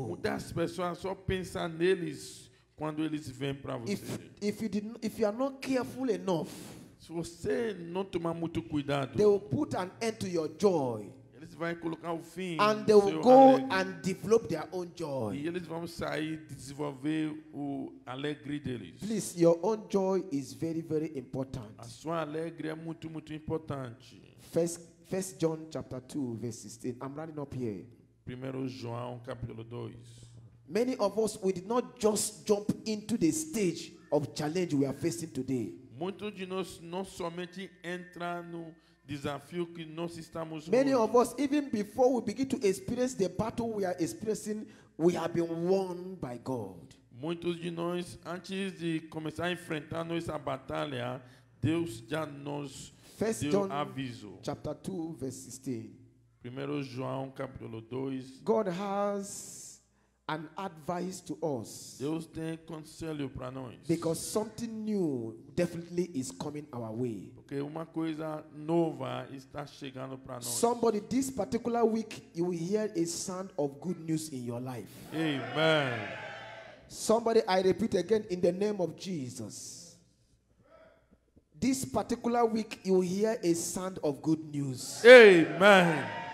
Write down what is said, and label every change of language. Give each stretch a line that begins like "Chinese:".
Portuguese: Muitas pessoas só pensam neles quando eles vêm para você.
English: If you are not careful enough,
Portuguese: se você não tomar muito cuidado,
English: they will put an end to your joy.
Portuguese: Eles vão colocar o fim.
English: And they will go and develop their own joy.
Portuguese: E eles vão sair desenvolver o alegria deles.
English: Please, your own joy is very, very important.
Portuguese: A sua alegria é muito, muito importante.
English: First John chapter 2, verse 16. I'm running up here.
Portuguese: Primeiro João capítulo 2.
English: Many of us we did not just jump into the stage of challenge we are facing today.
Portuguese: Muitos de nós não somente entram no desafio que nós estamos.
English: Many of us, even before we begin to experience the battle we are experiencing, we have been won by God.
Portuguese: Muitos de nós, antes de começar a enfrentar nossa batalha, Deus já nos
English: First
Portuguese: deu
English: John,
Portuguese: aviso.
English: Chapter 2, verse 16.
Portuguese: Primeiro João, capítulo 2.
English: God has an advice to us.
Portuguese: Deus tem conselho para nós.
English: Because something new definitely is coming our way.
Portuguese: Porque uma coisa nova está chegando para nós.
English: Somebody, this particular week, you will hear a sound of good news in your life. Amen. Somebody, I repeat again, in the name of Jesus. This particular week, you will hear a sound of good news. Amen.